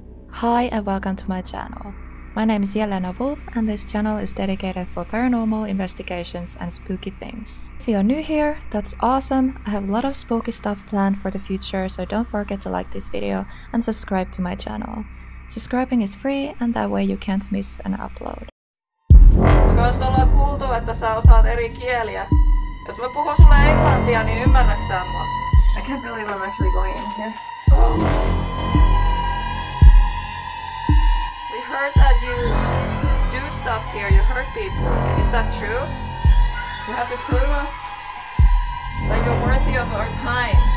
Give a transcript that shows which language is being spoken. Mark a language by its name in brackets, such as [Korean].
[English] Hi and welcome to my channel. My name is Yelena Wolf and this channel is dedicated for paranormal investigations and spooky things. If you're new here, that's awesome. I have a lot of spooky stuff planned for the future, so don't forget to like this video and subscribe to my channel. Subscribing is free and that way you can't miss an upload. [Finnish] Myös ollaan kuultu, että sä osaat eri kieliä. Jos mä puhun sulle englantia, niin ymmärrätkö sä mua? [English] I can't believe I'm actually going in here. We heard that you do stuff here, you hurt people. Is that true? You have to prove us that you're worthy of our time.